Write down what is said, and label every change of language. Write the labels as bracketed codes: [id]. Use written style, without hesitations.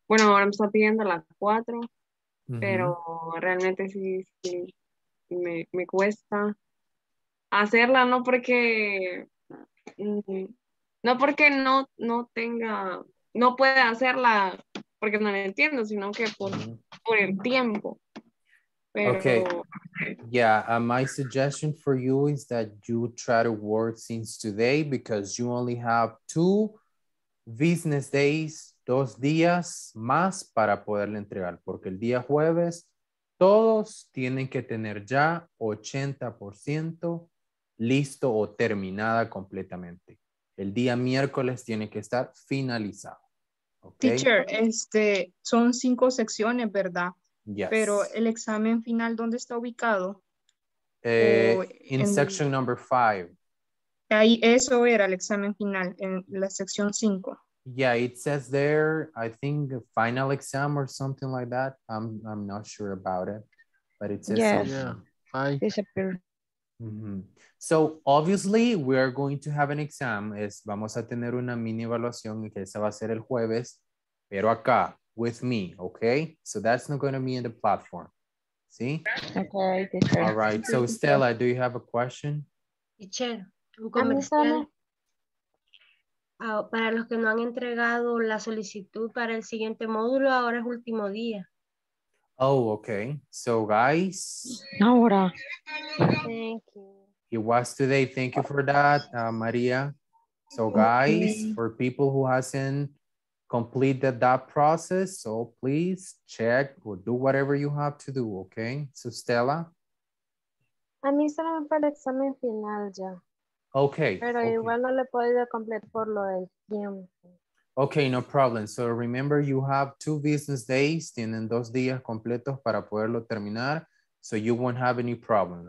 [es] Bueno, ahora me está pidiendo las cuatro, pero realmente sí me cuesta hacerla, ¿no? Porque... No porque no tenga, no pueda hacerla porque no la entiendo, sino que por el tiempo. Pero... [en] Okay. Yeah, my suggestion for you is that you try to work since today, because you only have two business days, [es] dos días más para poderle entregar. Porque el día jueves, todos tienen que tener ya 80% listo o terminada completamente. El día miércoles tiene que estar finalizado. Okay. Teacher, son cinco secciones, ¿verdad? [en] Yes. [es] Pero el examen final, ¿dónde está ubicado? [en] in section number 5. [es] Ahí eso era el examen final en la sección 5. [en] Yeah, it says there, I think a final exam or something like that. I'm not sure about it, but it says yeah. Something. Yeah. Hi. Disappear. Mm-hmm. So obviously we are going to have an exam. [es] Vamos a tener una mini evaluación y que esa va a ser el jueves, pero acá [en] with me, okay? So that's not going to be in the platform. See? Okay. Teacher. All right. So Stella, do you have a question? [es] Teacher, ¿cómo están? Para los que no han entregado la solicitud para el siguiente módulo, ahora es último día. [en] Oh, okay. So, guys. [es] Ahora. [en] Thank you. It was today. Thank you for that, Maria. So, guys, okay. For people who hasn't completed that process, so please check or do whatever you have to do, okay? So, Stella. [es] A mí solo me falta el examen final ya. [en] Okay. [es] Pero [en] okay. [es] Igual no le puedo completar por lo del tiempo. [en] Okay, no problem. So remember you have 2 business days, [es] tienen 2 días completos para poderlo terminar, [en] so you won't have any problem.